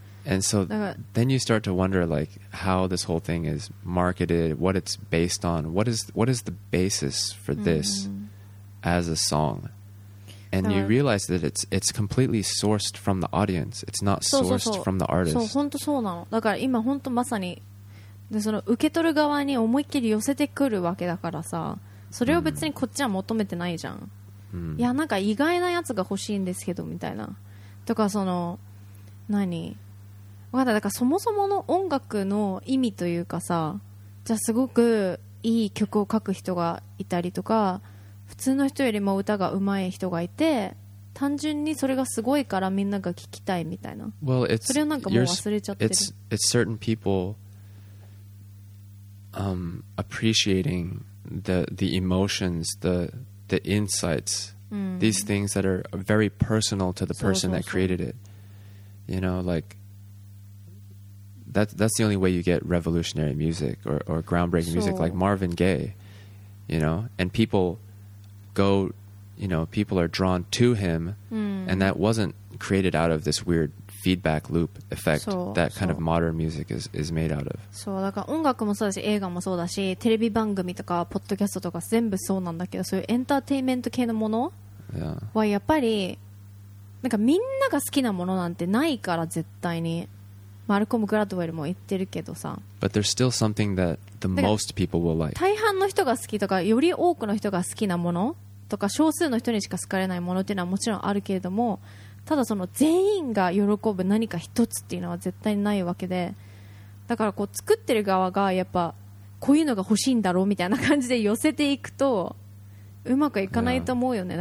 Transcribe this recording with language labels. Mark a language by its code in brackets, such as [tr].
[en] And so then you start to wonder like how this whole thing is marketed, what it's based on, what is the basis for this as a song? And you realize that it's completely sourced from the audience. It's not sourced from the artist. [ja] そう、本当そうなの。だから今本当まさにでその受け取る側に思いっきり寄せてくるわけだからさ、それを別にこっちは求めてないじゃん。いやなんか意外なやつが欲しいんですけどみたいな。とかその何わかった。だからそもそもの音楽の意味というかさ、じゃあすごくいい曲を書く人がいたりとか、普通の人よりも歌が上手い人がいて、単純にそれがすごいからみんなが聞きたいみたいな。 [en] Well, it's, [ja] それをなんかもう忘れちゃってる。 [en] It's certain people appreciating the emotions, the insights, these things that are very personal to the person that created it. You know, like that's the only way you get revolutionary music or groundbreaking music like Marvin Gaye, you know, and people go, you know, people are drawn to him and that wasn't created out of this weird feedback loop effect that kind of modern music is made out of. [ja] そう、だから音楽もそうだし、映画もそうだし、テレビ番組とかポッドキャストとか全部そうなんだけど、そういうエンターテインメント系のものはやっぱりなんかみんなが好きなものなんてないから、絶対にマルコム・グラッドウェルも言ってるけどさ。 [en] But there's still something that the most people will like. [ja] 大半の人が好きとか、より多くの人が好きなものとか、少数の人にしか好かれないものっていうのはもちろんあるけれども、ただその全員が喜ぶ何か一つっていうのは絶対にないわけで、だからこう作ってる側がやっぱこういうのが欲しいんだろうみたいな感じで寄せていくとうまくいかないと思うよね。